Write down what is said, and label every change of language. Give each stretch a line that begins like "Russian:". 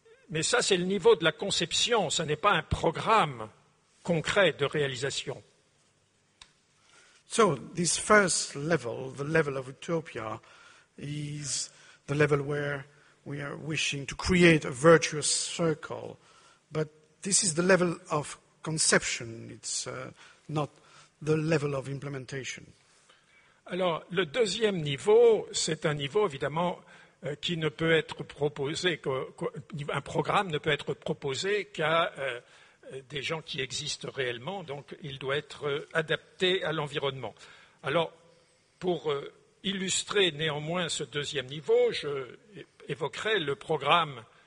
French: Mais ça, c'est le niveau de la conception, ça n'est pas un programme concret de réalisation.
English: So this first level, the level of utopia, is the level where we are wishing to create a virtuous circle. But this is the level of conception, it's not the level of implementation.
French: Alors, le deuxième niveau, c'est un niveau évidemment qui ne peut être proposé, un programme ne peut être proposé qu'à des gens qui existent réellement, donc il doit être adapté à l'environnement. Alors, pour illustrer néanmoins ce deuxième niveau, je évoquerai le programme